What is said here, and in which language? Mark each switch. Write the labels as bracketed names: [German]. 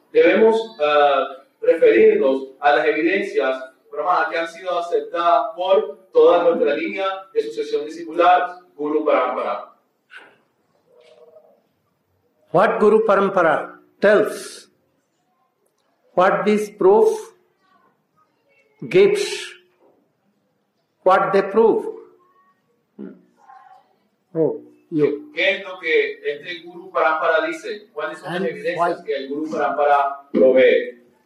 [Spanish] Debemos referirnos a las evidencias Brahmana que han sido aceptadas por toda nuestra línea de sucesión discipular, Guru Parampara. [English] What Guru Parampara tells, what this proof gives, what they prove. [Spanish] ¿Qué es lo que este Guru Parampara dice? ¿Cuáles son las evidencias que el Guru Parampara provee?